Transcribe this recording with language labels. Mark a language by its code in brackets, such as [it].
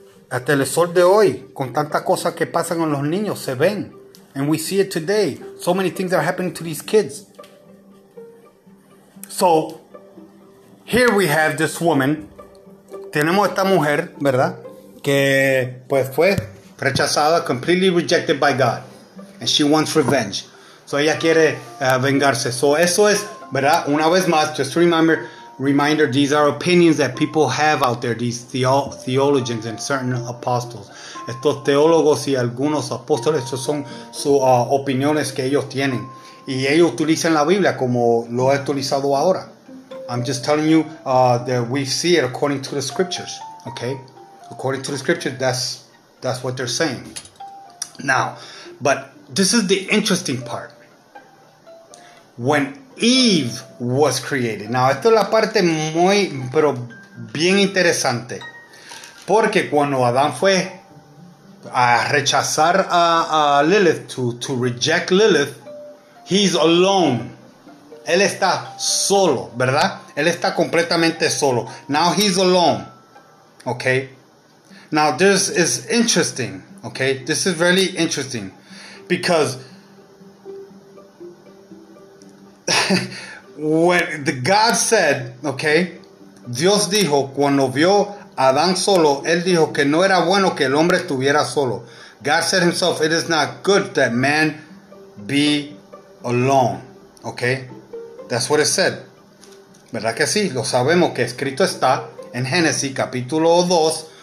[es] Hasta el sol de hoy, con tantas cosas que pasan con los niños, se ven. [en] And we see it today. So many things are happening to these kids. So, here we have this woman. [es] Tenemos esta mujer, ¿verdad? Que pues fue rechazada, [en] completely rejected by God. And she wants revenge. So [es] ella quiere vengarse. So eso es, ¿verdad? Una vez más, [en] just remember, reminder, these are opinions that people have out there, these theologians and certain apostles. [es] Estos teólogos y algunos apóstoles, estos son sus opiniones que ellos tienen. Y ellos utilizan la Biblia como lo he utilizado ahora. [en] I'm just telling you that we see it according to the scriptures, okay? According to the scriptures, that's what they're saying. Now, but this is the interesting part. When Eve was created. [es] Now, esto es la parte muy, pero bien interesante. Porque cuando Adán fue a rechazar a Lilith, [en] to reject Lilith, he's alone. [es] Él está solo, ¿verdad? Él está completamente solo. [en] Now he's alone. [es] Okay? [en] Now, this is interesting. Okay? This is really interesting. Because when the God said, okay, [es] Dios dijo, cuando vio a Adán solo, él dijo que no era bueno que el hombre estuviera solo. [en] God said himself, it is not good that man be alone. Okay? That's what it said. [es] ¿Verdad que sí? Lo sabemos que escrito está en Génesis capítulo 2.